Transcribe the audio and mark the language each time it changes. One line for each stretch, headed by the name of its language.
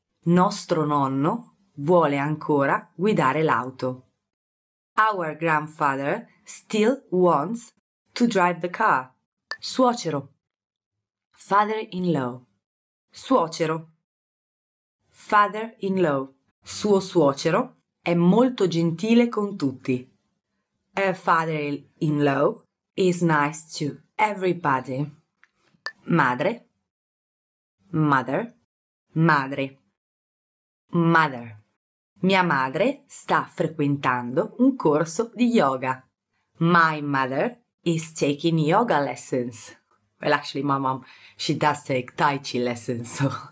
Italian: Nostro nonno vuole ancora guidare l'auto.
English: Our grandfather still wants to drive the car.
Italian: Suocero. Father-in-law. Suocero.
English: Father-in-law.
Italian: Suo suocero è molto gentile con tutti.
English: Her father-in-law is nice to everybody.
Italian: Madre. Mother. Madre. Mother. Mia madre sta frequentando un corso di yoga.
English: My mother is taking yoga lessons. Well, actually, my mom, she does take Tai Chi lessons, so...